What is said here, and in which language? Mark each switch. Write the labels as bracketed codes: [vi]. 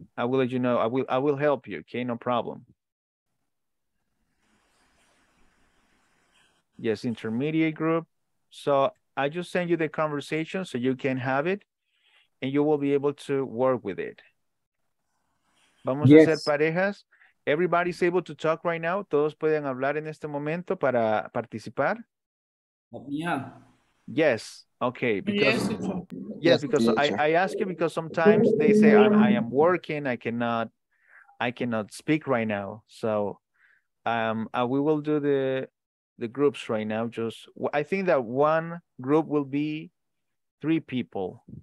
[en] I will let you know, I will help you, okay? No problem. Yes, intermediate group. So I just send you the conversation so you can have it and you will be able to work with it. [es] Vamos [en] yes. [es] a hacer parejas. [en] Everybody's able to talk right now. [es] Todos pueden hablar en este momento para participar. [en] Yeah. Yes. Okay. Because, yes, because I ask you because sometimes they say I am working. I cannot speak right now. So we will do the groups right now. Just I think that one group will be three people.